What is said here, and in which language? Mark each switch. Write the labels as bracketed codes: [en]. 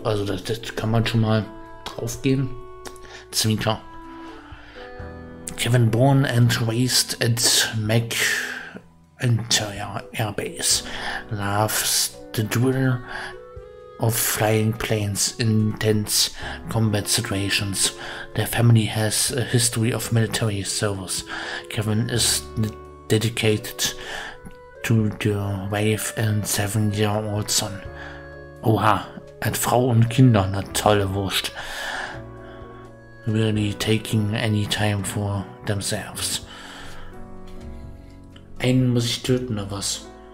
[de] Also das kann man schon mal drauf gehen. Zwinker. [en] Kevin born and raised at McIntyre Air Base. Loves the thrill of flying planes in intense combat situations. Their family has a history of military service. Kevin is dedicated to their wife and 7-year-old son. [de] Oha, hat Frau und Kinder, eine tolle Wurst. [en] Really taking any time for themselves. [de] Einen muss ich töten oder was?